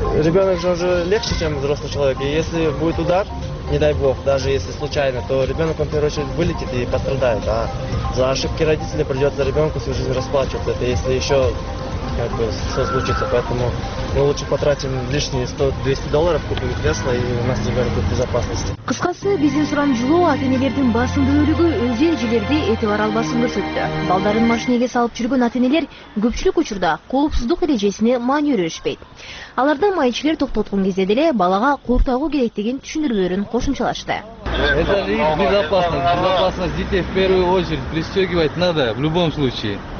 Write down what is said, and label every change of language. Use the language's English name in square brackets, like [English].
[Russian] Ребенок же уже легче, чем взрослый человек. И если будет удар, не дай бог, даже если случайно, то ребенок, он, в первую очередь, вылетит и пострадает. А за ошибки родителей придется ребенку всю жизнь расплачиваться. Это если еще... как бы все случится, поэтому мы лучше потратим лишние 100-200 долларов, купим кресло и у нас теперь будет безопасность. [Kyrgyz] Кыскасы, биздин суранып жылоо ата-энелердин басым бөлүгү өз эрежелерди этибар албасын көрсөттү. Балдарын машинеге салып жүргөн ата-энелер көпчүлүк учурда коопсуздук эрежесине маани берүшпөйт. Аларды майчилер токтоткон кезде деле балага куруктоого керектигин түшүндүрүүлөрүн кошумчалашты. [Russian] Это риск безопасности. Безопасность детей в первую очередь пристегивать надо в любом случае.